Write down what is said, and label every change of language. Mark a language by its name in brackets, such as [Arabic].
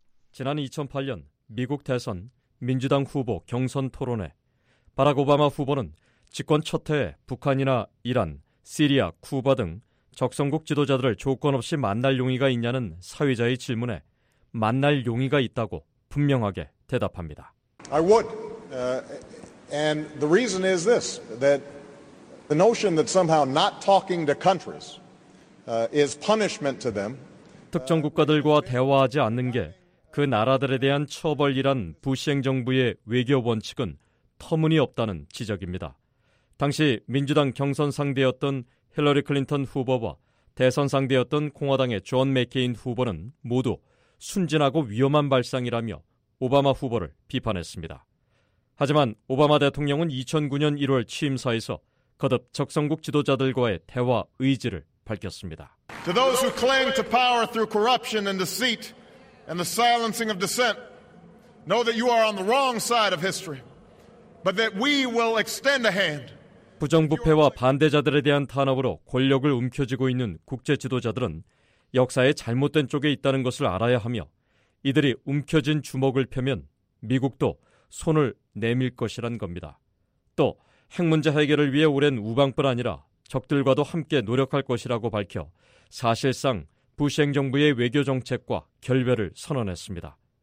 [Korean] 지난 2008년 미국 대선 민주당 후보 경선 토론회 바락 오바마 후보는 집권 첫 해에 북한이나 이란, 시리아, 쿠바 등 적성국 지도자들을 조건 없이 만날 용의가 있냐는 사위자의 질문에 만날 용의가 있다고 분명하게 대답합니다. [English] I would. And the reason is this, that the notion that somehow not talking to countries is punishment to them. [Korean] 특정 국가들과 대화하지 않는 게 그 나라들에 대한 처벌이란 부시 행정부의 외교 원칙은 터무니없다는 지적입니다. 당시 민주당 경선 상대였던 힐러리 클린턴 후보와 대선 상대였던 공화당의 존 맥케인 후보는 모두 순진하고 위험한 발상이라며 오바마 후보를 비판했습니다. 하지만 오바마 대통령은 2009년 1월 취임사에서 거듭 적성국 지도자들과의 대화 의지를 밝혔습니다. [English] To those who cling to power through corruption and deceit and the silencing of dissent, know that you are on the wrong side of history, but that we will extend a hand. [Korean] 부정부패와 반대자들에 대한 탄압으로 권력을 움켜쥐고 있는 국제 지도자들은 역사의 잘못된 쪽에 있다는 것을 알아야 하며 이들이 움켜진 주먹을 펴면 미국도 손을 내밀 것이란 겁니다. 또 핵 문제 해결을 위해 오랜 우방뿐 아니라 적들과도 함께 노력할 것이라고 밝혀 사실상 부시 행정부의 외교 정책과 결별을 선언했습니다.